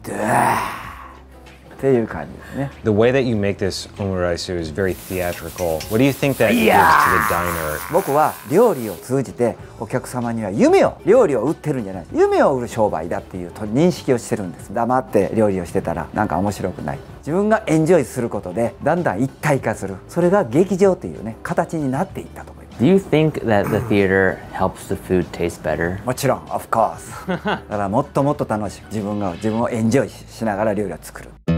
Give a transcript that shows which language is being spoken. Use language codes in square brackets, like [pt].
[ja] 今度は素早くトントントンね。皆さんこのトントンが非常に難しいと思ってると思うんですが、違うんです。速やかにチキンライスの上に乗せて、あとはカットしますけれども、黄色いドレス。っていう感じですね。 [en] The way that you make this omurice is very theatrical. What do you think that gives to the diner? [ja] 僕は料理を通じてお客様には夢を、料理を売ってるんじゃない。夢を売る商売だっていう認識をしてるんです。黙って料理をしてたらなんか面白くない。自分がエンジョイすることでだんだん一体化する。それが劇場っていうね、形になっていったと。 [en] Do you think that the theater helps the food taste better? [ja] もちろん, [en] of course. [ja] だからもっともっと楽しく、自分をエンジョイしながら料理を作る。